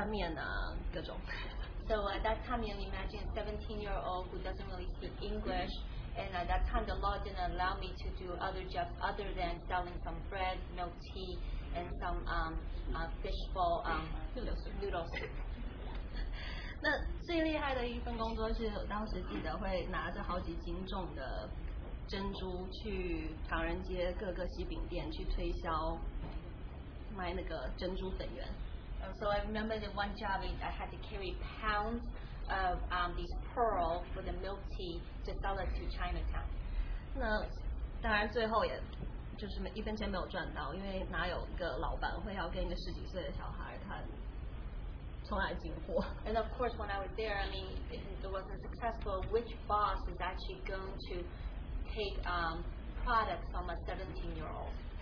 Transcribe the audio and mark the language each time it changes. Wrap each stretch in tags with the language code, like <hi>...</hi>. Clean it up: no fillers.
<zh>所以大家可以想象到，一个17岁的小孩刚来美国，也不大会英文，就而且因为一开始年纪小，法律不允许，所以打的工就只可以是卖面包啊、卖奶茶、卖鱼蛋面啊各种。</zh> <en>So at that time, you imagine a 17-year-old who doesn't really speak English, and at that time the law didn't allow me to do other jobs other than selling some bread, milk tea, and some fishball noodles. So I remember the one job I had to carry pounds of these pearl for the milk tea to sell it to Chinatown.</en> <zh>那当然最后也 就是一分钱没有赚到，因为哪有一个老板会要跟一个十几岁的小孩，他从来进货。</zh> <en>And of course, when I was there, I mean, if it wasn't successful, which boss is actually going to take products from a 17-year-old?</en>